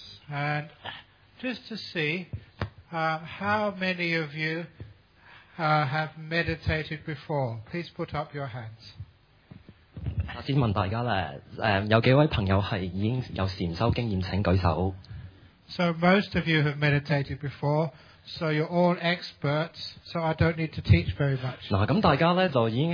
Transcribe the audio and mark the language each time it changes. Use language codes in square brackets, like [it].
[en] And just to see how many of you have meditated before, please put up your hands. [yue] 先問大家咧，有幾位朋友係已經有禅修經驗，請舉手。 [en] So most of you have meditated before, so you're all experts, so I don't need to teach very much.